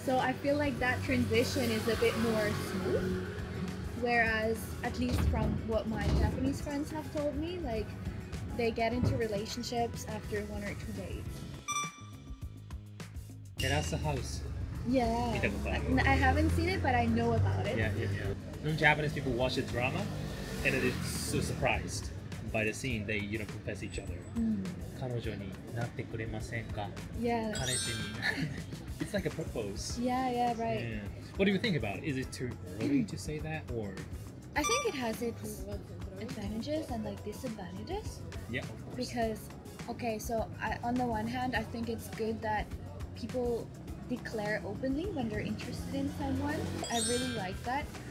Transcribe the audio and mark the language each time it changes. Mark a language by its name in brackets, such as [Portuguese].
[English] So I feel like that transition is a bit more smooth, whereas, at least from what my Japanese friends have told me, like, they get into relationships after 1 or 2 dates. Terrace house. Yeah. I haven't seen it, but I know about it. Yeah. Japanese people watch the drama and they're so surprised by the scene they, you know, confess each other. [Japanese] 彼女になってくれませんか? [English] Yeah. It's like a propose. Yeah, right. Yeah. What do you think about it? Is it too early to say that or? I think it has its advantages and like disadvantages. Yeah, of course. Because, okay, so I, on the one hand, I think it's good that people declare openly when they're interested in someone. I really like that.